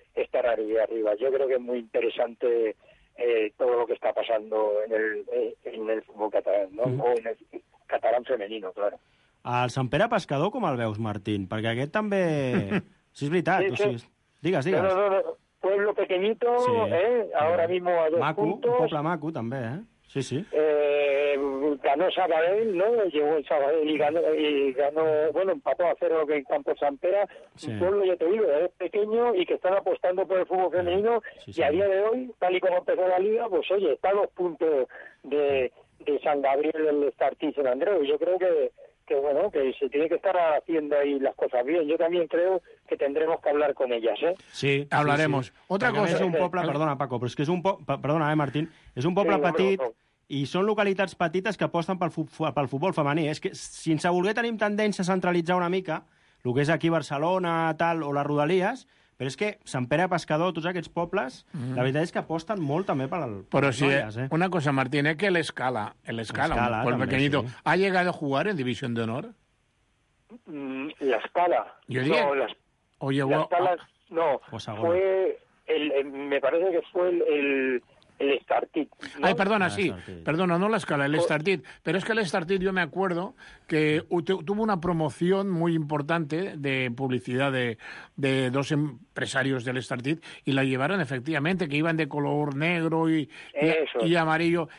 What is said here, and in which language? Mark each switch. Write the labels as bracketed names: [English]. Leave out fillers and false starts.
[Spanish] estar ahí arriba. Yo creo que es muy interesante todo lo que está pasando en el fútbol catalán, ¿no? Mm. O en el catalán femenino, claro. [Catalan] El Sant Pere Pescador, com el veus, Martín? Perquè aquest també... Sí, és veritat. Sí, sí. O sigui... Digues, digues. [Spanish] No, pueblo pequeñito, sí. Ahora mismo a dos [Catalan] maco, [Spanish] puntos. [Catalan] Un poble maco, també, Sí, sí. [Spanish] Ganó Sabadell, ¿no? Llegó el Sabadell y ganó... Bueno, empató a cero en campo Sant Pere. Sí. Un pueblo, ya te digo, es pequeño y que están apostando por el fútbol femenino. Sí, sí. Y a día de hoy, tal y como empezó la liga, pues oye, está a dos puntos de San Gabriel, el Startí, San Andreu. Yo creo que bueno, que se tiene que estar haciendo ahí las cosas bien. Yo también creo que tendremos que hablar con ellas, Sí, hablaremos. Sí. Otra cosa, [Catalan] és un poble, perdona, Paco, però és que és un poble, perdona, Martín, és un poble petit i són localitats petites que aposten pel futbol femení. És que, sense voler, tenim tendència a centralitzar una mica el que és aquí Barcelona, tal, o les Rodalies, però és que Sant Pere Pescador, tots aquests pobles, mm-hmm. la veritat és que aposten molt també per al... Però sí, una cosa, Martín, és que l'Escala, un poble pequeñito, sí. [Spanish] ¿Ha llegado a jugar en División de Honor? [Catalan] L'Escala. Jo diria... [Spanish] No, l'Escala... No, fue... me parece que fue el Startit. ¿No? [Catalan] Ay, perdona, sí. Perdona, no l'Escala, el Startit. [Spanish] Pero es que el Startit, yo me acuerdo que tuvo una promoción muy importante de publicidad de dos empresarios del Startit y la llevaron efectivamente, que iban de color negro y amarillo.